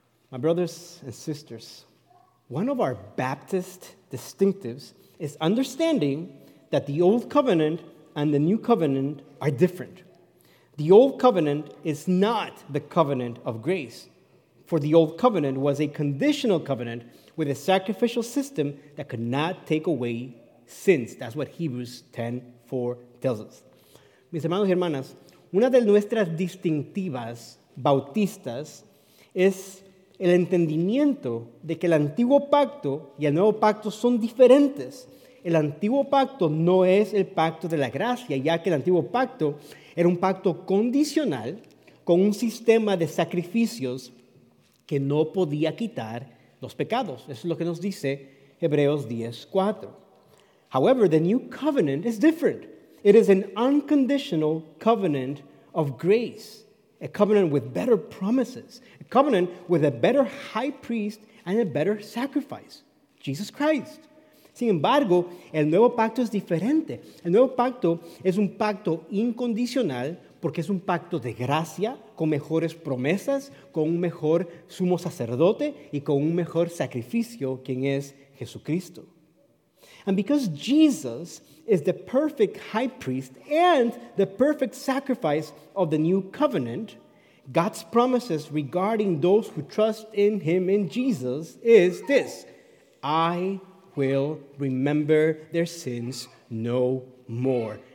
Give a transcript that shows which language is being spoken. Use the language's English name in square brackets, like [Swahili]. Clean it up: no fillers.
[English] My brothers and sisters, one of our Baptist distinctives is understanding that the Old Covenant and the New Covenant are different. The Old Covenant is not the covenant of grace, for the Old Covenant was a conditional covenant with a sacrificial system that could not take away sins. That's what Hebrews 10:4 tells us. [Spanish] Mis hermanos y hermanas, una de nuestras distintivas bautistas es el entendimiento de que el Antiguo Pacto y el Nuevo Pacto son diferentes. El Antiguo Pacto no es el pacto de la gracia, ya que el Antiguo Pacto era un pacto condicional con un sistema de sacrificios que no podía quitar los pecados. Eso es lo que nos dice Hebreos 10:4. [English] However, the New Covenant is different. It is an unconditional covenant of grace, a covenant with better promises, a covenant with a better high priest and a better sacrifice, Jesus Christ. [Spanish] Sin embargo, el nuevo pacto es diferente. El nuevo pacto es un pacto incondicional porque es un pacto de gracia con mejores promesas, con un mejor sumo sacerdote y con un mejor sacrificio, quien es Jesucristo. [English] And because Jesus is the perfect high priest and the perfect sacrifice of the new covenant, God's promises regarding those who trust in him, in Jesus, is this: I will remember their sins no more.